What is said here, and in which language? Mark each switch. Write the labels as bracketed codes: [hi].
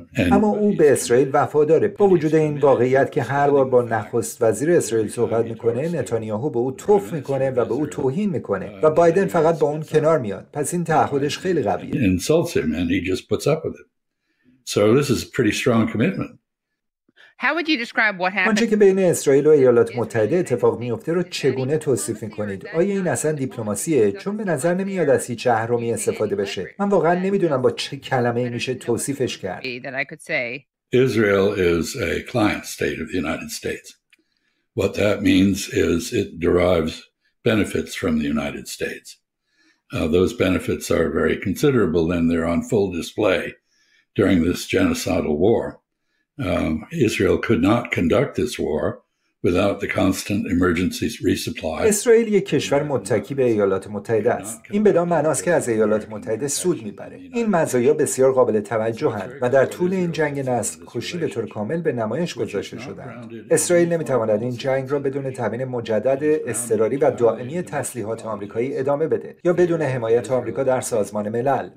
[fa] اما او به اسرائیل وفاداره. با وجود این واقعیت که هر بار با نخست وزیر اسرائیل صحبت میکنه، نتانیاهو به او توف میکنه و به او توهین میکنه و بایدن فقط با اون کنار میاد. پس این تعهدش خیلی قویه. [en] Insults him and he just puts up with it. So this is a pretty strong commitment. How would you describe what happened? [fa] آنچه که بین اسرائیل و ایالات متحده اتفاق میفته رو چگونه توصیف میکنید؟ آیا این اصلا دیپلماسیه؟ چون به نظر نمیاد از هیچ اهرمی استفاده بشه. من واقعا نمیدونم با چه کلمه میشه توصیفش کرد. [en] Israel is a client state of the United States. What that means is it derives benefits from the United States. Those benefits are very considerable and they're on full display during this genocidal war. Israel could not conduct this war without the constant emergency resupply. [fa] اسرائیل یک کشور متکی به ایالات متحده است. این بدان معناست که از ایالات متحده سود می‌بره. این مزایا بسیار قابل توجهند و در طول این جنگ نسل‌کشی به طور کامل به نمایش گذاشته شدند. اسرائیل نمی‌تواند این جنگ را بدون تامین مجدد اضطراری و دائمی تسلیحات آمریکایی ادامه بده یا بدون حمایت آمریکا در سازمان ملل.